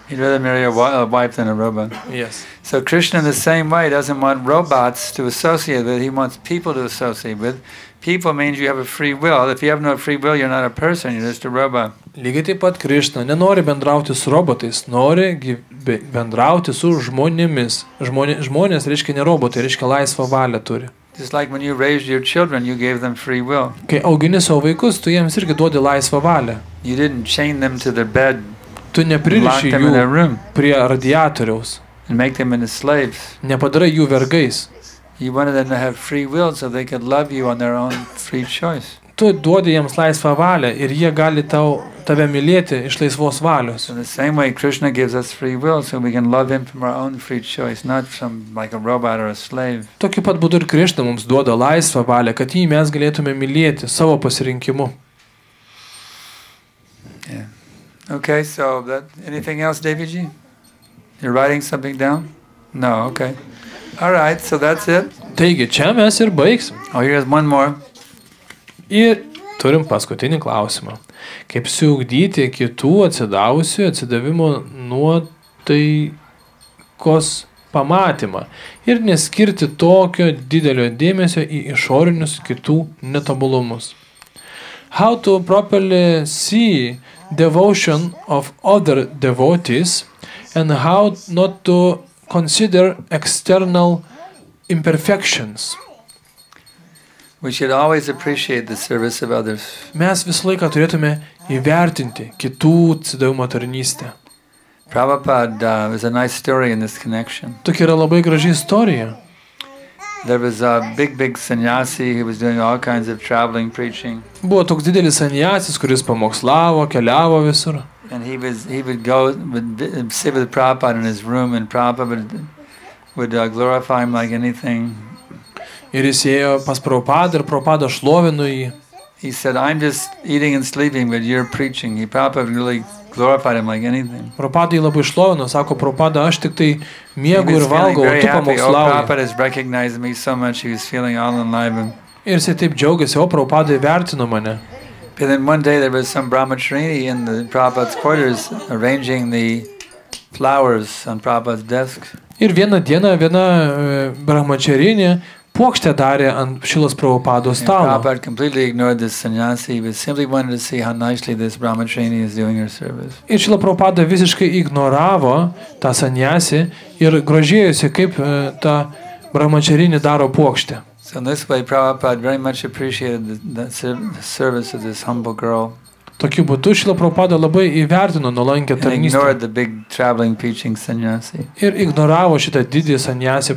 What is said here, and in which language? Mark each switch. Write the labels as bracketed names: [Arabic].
[English] He'd rather marry a wife than a robot. Yes. So Krishna in the same way doesn't want robots to associate with, he wants people to associate with. People means you have a free will. If you have no free will, you're not a person, you're just a robot. [Lithuanian] Lygiai taip pat Krishna nenori bendrauti su robotais, nori bendrauti su žmonėmis. Žmonės reiškia ne robotai, reiškia laisvą valią turi. [English] Just like when you raised your children, you gave them free will. [Lithuanian] Kai augini savo vaikus, tu jiems irgi duodi laisvą valią. [English] You didn't chain them to their bed. [Lithuanian] Tu nepririši jų prie radiatoriaus. [English] And make them into slaves. [Lithuanian] Nepadarai jų vergais. [English] You wanted them to have free will so they could love you on their own free choice. [Lithuanian] Tu duodi jiems laisvą valią ir jie gali tave mylėti iš laisvos valios. [English] In the same way Krishna gives us free will so we can love him from our own free choice, not from like a robot or a slave. [Lithuanian] Tokiu pat būdu ir Krishna mums duoda laisvą valią, kad jį mes galėtume mylėti savo pasirinkimu. [English] Okay, so that anything else, Deviji? You're writing something down? No, okay. All right, so that's it. [Lithuanian] Taigi, čia mes ir baigs. [English] Oh, here's one more. [Lithuanian] Ir turim paskutinį klausimą. Kaip siugdyti kitų atsidavusių atsidavimo nuotaikos pamatymą ir neskirti tokio didelio dėmesio į išorinius kitų netobulumus? [English] How to properly see devotion of other devotees and how not to consider external imperfections. We should always appreciate the service of others. [Lithuanian] Mes visą laiką turėtume įvertinti kitų atsidavimo tarnystę. [English] Prabhupada is a nice story in this connection. [Lithuanian] Tokia yra labai graži istorija. [English] There was a big sannyasi who was doing all kinds of traveling preaching. [Lithuanian] Buvo toks didelis sannyasis, kuris pamokslavo, keliavo visur. [English] And he would sit with Prabhupada in his room and Prabhupada would glorify him like anything. [Lithuanian] Ir jis ėjo pas Prabhupada ir Prabhupada šlovino jį. [English] He said, "I'm just eating and sleeping, but you're preaching." He Prabhupada really glorified him like anything. [Lithuanian] Prabhupada jį labai šlovino, sako, Prabhupada, aš tik tai miegu ir valgau, o tu pamokslauji. [English] Prabhupada has recognized me so much, he was feeling all enlivened. [Lithuanian] Ir jis taip džiaugiasi, o Prabhupada įvertino mane. [English] But then one day there was some Brahmacharini in the Prabhupada's quarters arranging the flowers on Prabhupada's desk. [Lithuanian] Ir vieną dieną viena brahmačiarinė puokštę darė ant Šilos Prabhupados stalo. [English] Prabhupada completely ignored this sannyasi, but simply wanted to see how nicely this brahmacharini is doing her service. [Lithuanian] Ir Šila Prabhupada visiškai ignoravo tą sannyasi ir grožėjosi, kaip ta brahmacharini daro puokštę. [English] So in this way, Prabhupada very much appreciated the service of this humble girl. [Lithuanian] Tokiu būdu Šila Prabhupada labai įvertino nuolankią tarnystę ir ignoravo šitą didį sanjasi